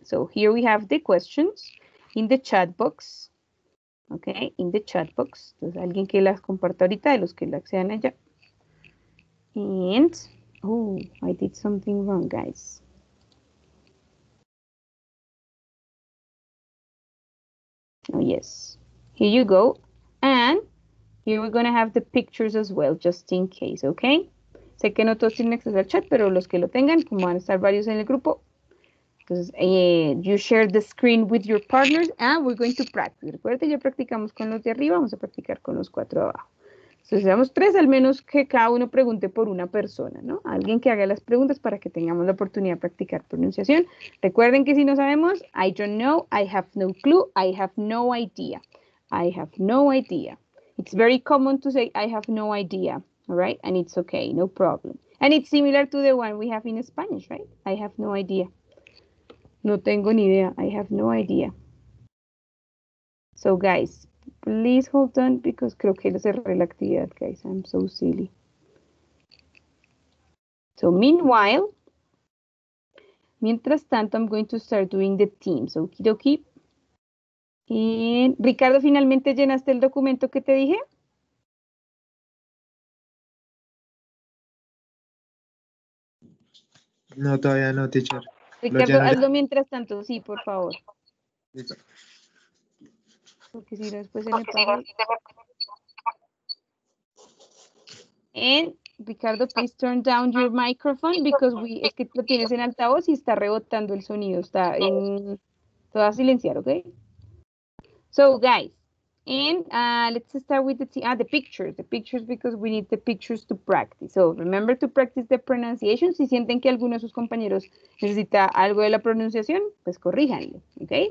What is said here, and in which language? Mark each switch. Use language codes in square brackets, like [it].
[en] So, here we have the questions in the chat box. Okay, in the chat box. [es] Entonces, alguien que las comparta ahorita, de los que la accedan allá. [en] And... Oh, I did something wrong, guys. Oh, yes. Here you go. And here we're going to have the pictures as well, just in case, okay? [es] Sé que no todos tienen acceso al chat, pero los que lo tengan, como van a estar varios en el grupo, entonces, [en] you share the screen with your partners, and we're going to practice. [es] Recuerden, ya practicamos con los de arriba, vamos a practicar con los cuatro de abajo. Si seamos tres, al menos que cada uno pregunte por una persona, ¿no? Alguien que haga las preguntas para que tengamos la oportunidad de practicar pronunciación. Recuerden que si no sabemos, [en] I don't know, I have no clue, I have no idea. I have no idea. It's very common to say, I have no idea, all right? And it's okay, no problem. And it's similar to the one we have in Spanish, right? I have no idea. [es] No tengo ni idea, [en] I have no idea. So, guys... Please hold on, because [es] creo que lo cerré la actividad, [en] guys. I'm so silly. So, meanwhile, [es] mientras tanto, [en] I'm going to start doing the team. So, okie dokie. [es] Y Ricardo, ¿finalmente llenaste el documento que te dije? No, todavía no, teacher. Ricardo, hazlo mientras tanto. Sí, por favor. Listo. Porque si no, después se me paga. [en] And Ricardo, please turn down your microphone because we, [es] es que lo tienes en altavoz y está rebotando el sonido. Está en, todo a silenciar, ¿ok? [en] So, guys, And let's start with the pictures. The pictures, because we need the pictures to practice. So remember to practice the pronunciation. [es] Si sienten que alguno de sus compañeros necesita algo de la pronunciación, pues corríjanle, okay?